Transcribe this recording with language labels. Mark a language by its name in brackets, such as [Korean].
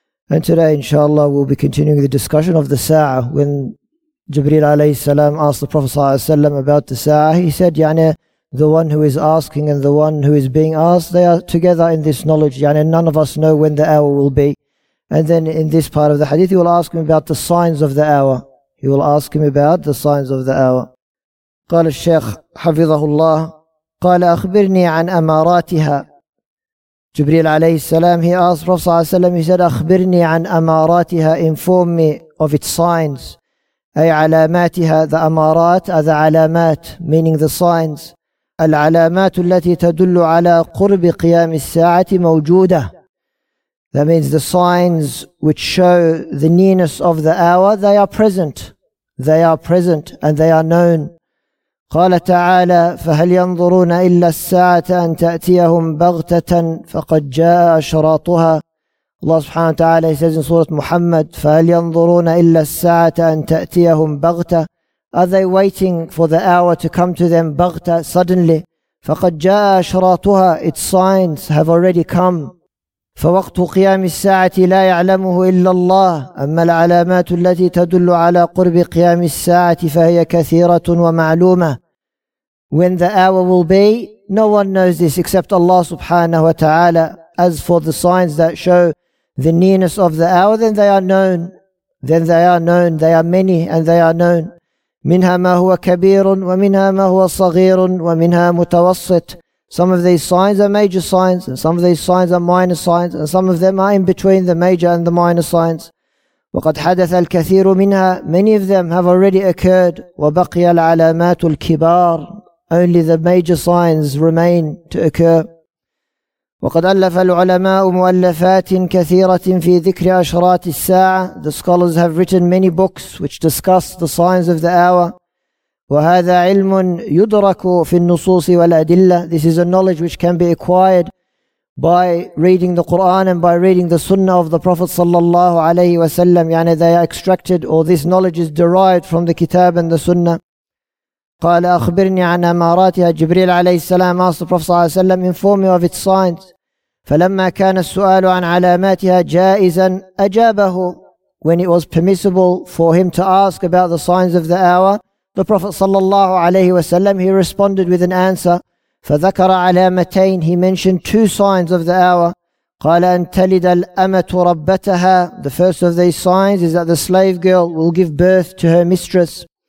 [English] And today inshaAllah we'll be continuing the discussion of the sa'ah. When Jibreel alayhi salam asked the Prophet sallallahu alayhi wasallam about the sa'ah, he said, yani, the one who is asking and the one who is being asked, they are together in this knowledge, yani, none of us know when the hour will be. And then in this part of the hadith, he will ask him about the signs of the hour. He will ask him about the signs of the hour. [Arabic] قال الشيخ حفظه الله قال أخبرني عن أماراتها. [English] Jibreel عليه السلام, he asked Prophet صلى الله عليه وسلم, he said, [Arabic] أخبرني عن أماراتها, [English] inform me of its signs. [Arabic] أي علاماتها, [English] the أمارات are the علامات, meaning the signs. [Arabic] العلامات التي تدل على قرب قيام الساعة موجودة. [English] That means the signs which show the nearness of the hour, they are present. They are present and they are known. [Arabic] قال تعالى فهل ينظرون إلا الساعة أن تأتيهم بغتة فقد جاء أشراطها. [English] Allah subhanahu wa ta'ala says in Surah Muhammad, [Arabic] فهل ينظرون إلا الساعة أن تأتيهم بغتة. [English] Are they waiting for the hour to come to them, بغتة, suddenly? [Arabic] فقد جاء أشراطها, [English] its signs have already come. [Arabic] فوقت قيام الساعة لا يعلمه إلا الله أما العلامات التي تدل على قرب قيام الساعة فهي كثيرة ومعلومة. [English] When the hour will be, no one knows this except Allah subhanahu wa ta'ala. As for the signs that show the nearness of the hour, then they are known. Then they are known. They are many and they are known. [Arabic] منها ما هو كبير ومنها ما هو صغير ومنها متوسط. [English] Some of these signs are major signs, and some of these signs are minor signs, and some of them are in between the major and the minor signs. [Arabic] وَقَدْ حَدَثَ الْكَثِيرُ مِنْهَا. [English] Many of them have already occurred. [Arabic] وَبَقِيَ الْعَلَامَاتُ الْكِبَارُ. [English] Only the major signs remain to occur. [Arabic] وَقَدْ أَلَّفَ الْعُلَمَاءُ مُؤَلَّفَاتٍ كَثِيرَةٍ فِي ذِكْرِ أَشْرَاتِ السَّاعَةِ. [English] The scholars have written many books which discuss the signs of the hour. [Arabic] وهذا علم يدرك في النصوص والأدلة. [English] This is a knowledge which can be acquired by reading the Quran and by reading the Sunnah of the Prophet صلى الله عليه وسلم. يعني they are extracted, or this knowledge is derived from the Kitab and the Sunnah. [Arabic] قال أخبرني عن أماراتها. [English] جبريل عليه السلام asked the Prophet صلى الله عليه وسلم, inform me of its signs. [Arabic] فلما كان السؤال عن علاماتها جائزا أجابه. [English] When it was permissible for him to ask about the signs of the hour, the Prophet sallallahu alayhi wa sallam, he responded with an answer. [Arabic] فَذَكَرَ عَلَامَتَيْنِ. [English] He mentioned two signs of the hour. [Arabic] قَالَ أَن تَلِدَ الْأَمَةُ رَبَّتَهَا. [English] The first of these signs is that the slave girl will give birth to her mistress.